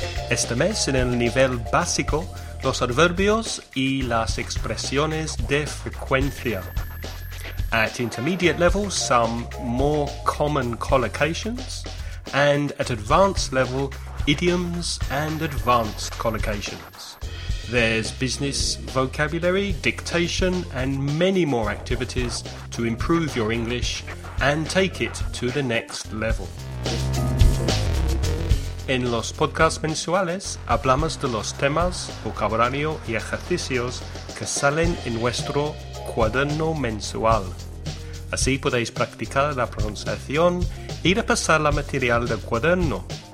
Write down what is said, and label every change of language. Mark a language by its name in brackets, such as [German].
[Spanish] Este mes, en el nivel básico, los adverbios y las expresiones de frecuencia. [English] At intermediate level, some more common collocations, and at advanced level, idioms and advanced collocations. There's business vocabulary, dictation, and many more activities to improve your English and take it to the next level. [Spanish] En los podcasts mensuales, hablamos de los temas, vocabulario y ejercicios que salen en nuestro cuaderno mensual. Así podéis practicar la pronunciación y repasar la material del cuaderno.